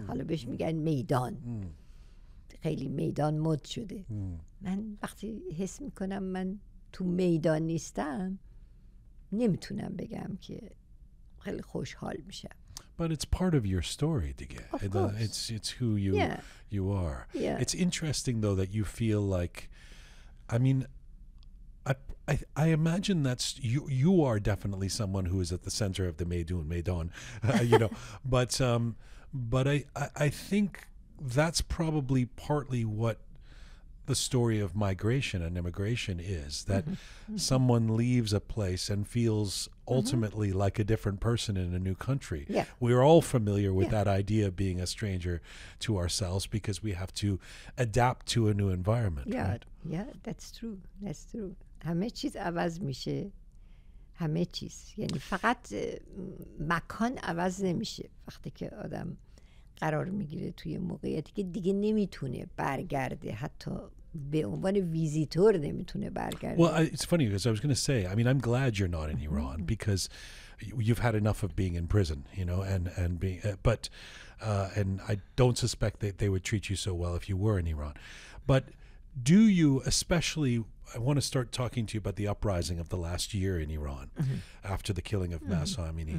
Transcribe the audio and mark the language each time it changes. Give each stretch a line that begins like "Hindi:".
Persian: حالا بهش میگن میدان. خیلی میدان مد شده. من وقتی حس میکنم من تو میدان نیستم، نمیتونم بگم که خیلی خوشحال میشم.
English: But it's part of your story دیگه. It's who you you are. Yeah. It's interesting though that you feel like, I mean, I imagine that's you are definitely someone who is at the center of the Meydan, you know. but I think that's probably partly what the story of migration and immigration is, that mm-hmm. someone leaves a place and feels ultimately mm-hmm. like a different person in a new country. Yeah. We're all familiar with that idea of being a stranger to ourselves because we have to adapt to a new environment. Yeah, right? Yeah, that's true.
Persian: همه چیز عوض میشه، همه چیز، یعنی فقط مکان عوض نمیشه. وقتی که آدم قرار میگیره توی موقعیتی که دیگه نمیتونه برگرده، حتی به عنوان ویزیتور نمیتونه برگرده.
English: Well, it's funny because I was going to say, I mean, I'm glad you're not in Iran because you've had enough of being in prison, you know, and being and I don't suspect that they would treat you so well if you were in Iran. But do you, especially, I want to start talking to you about the uprising of the last year in Iran mm-hmm. after the killing of mm-hmm. Mahsa Amini.